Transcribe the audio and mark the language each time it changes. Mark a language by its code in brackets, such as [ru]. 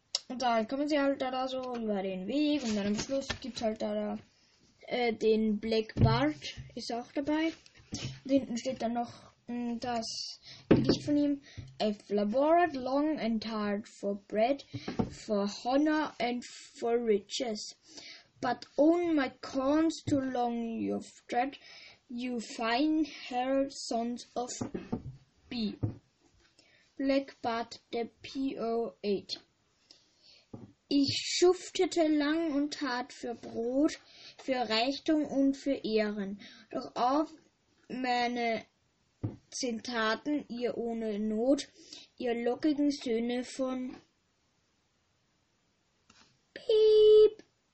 [de] Und dann kommen sie halt da so über den Weg und dann am Schluss gibt's halt da den Black Bart, ist auch dabei. Und hinten steht dann noch das Gedicht von ihm. [en] I've labored long and hard for bread, for honor and for riches. But own my corns too long you've tread, you fine haired sons of B. Black Bart, the P.O.H. [de] Ich schuftete lang und hart für Brot, für Reichtum und für Ehren. Doch auf meine Zitaten, ihr ohne Not, ihr lockigen Söhne von Piep.